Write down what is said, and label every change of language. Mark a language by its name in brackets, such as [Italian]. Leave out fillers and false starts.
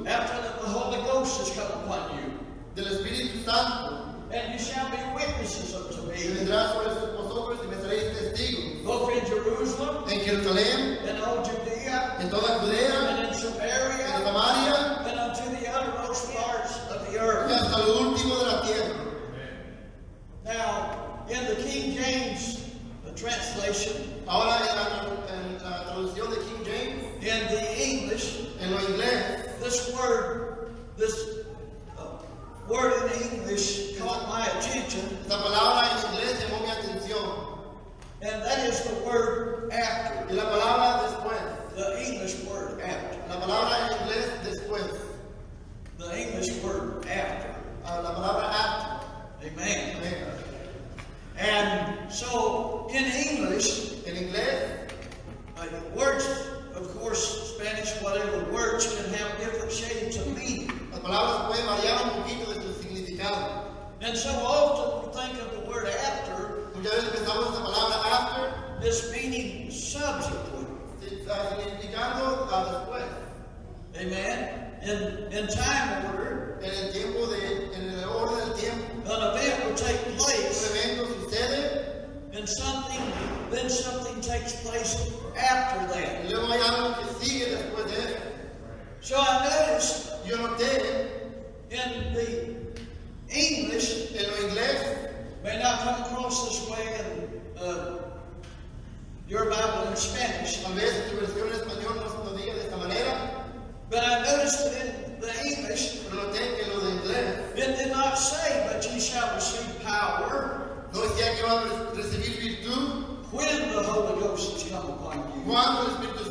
[English] After that the Holy Ghost has come upon you. [Spanish] Del Espíritu Santo. [English] And you shall be witnesses unto me. [Spanish] Y vendrás sobre vosotros y me seréis testigos. [English] Both in Jerusalem. [Spanish] En Jerusalén. [English] And all Judea. [Spanish] En toda Judea. [English] And in Samaria. [Spanish] En Samaria. [English] And unto the uttermost parts of the earth. [Spanish] Y hasta lo último de la tierra. [English] Now, in the King James translation, [Spanish] ahora en la traducción de King James, [English] in the English, [Spanish] en lo inglés, [English] this word in English caught my attention. [Spanish] La palabra en inglés llamó mi atención. [English] And that is the word after. [Spanish] Y la palabra después. [English] The English word after. [Spanish] La palabra en inglés después. [English] The English word after. [Spanish] La palabra after. [English] Amen. [Spanish] Amen. [English] And so in English, [Spanish] in inglés, [English] words, of course, Spanish, whatever, words can have different shades of meaning. [Spanish] Las palabras pueden variar un poquito de su significado. [English] And so often we think of the word after. [Spanish] Muchas veces pensamos la palabra after. [English] This meaning subsequent. [Spanish] Significando después. [English] Amen. In time order. [Spanish] En el tiempo de, en el orden del tiempo. [English] An event will take place. [Spanish] Un evento sucede. [English] And something, then something takes place after that. [Spanish] Y luego hay algo que sigue después de eso. [English] So I noticed. [Spanish] Yo noté. [English] In the English. [Spanish] En lo inglés. [English] May not come across this way in your Bible in Spanish. [Spanish] A veces tu versión en español no lo diga de esta manera. [English] But I noticed that in the English, it did not say, but ye shall receive power when the Holy Ghost has come upon you.